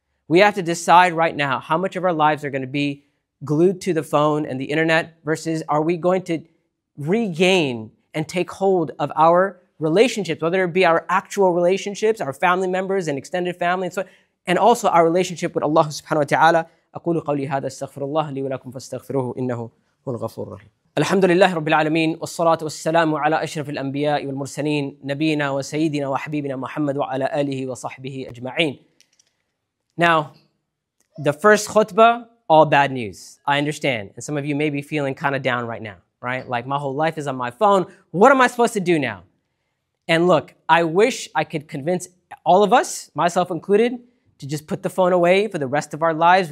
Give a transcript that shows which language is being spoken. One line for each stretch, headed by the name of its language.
English: We have to decide right now how much of our lives are going to be glued to the phone and the internet versus are we going to regain and take hold of our relationships, whether it be our actual relationships, our family members and extended family, and also our relationship with Allah subhanahu wa ta'ala.
Arabic: أقول قولي هذا استغفر الله لي ولكم فاستغفروه إنه هو الغفور الرحيم الحمد لله رب العالمين والصلاة والسلام على أشرف الأنبياء والمرسلين نبينا وسيدنا وحبيبنا محمد وعلى آله وصحبه أجمعين.
English: Now, the first khutbah, all bad news. I understand. And some of you may be feeling kind of down right now, right? Like my whole life is on my phone. What am I supposed to do now? And look, I wish I could convince all of us, myself included, to just put the phone away for the rest of our lives.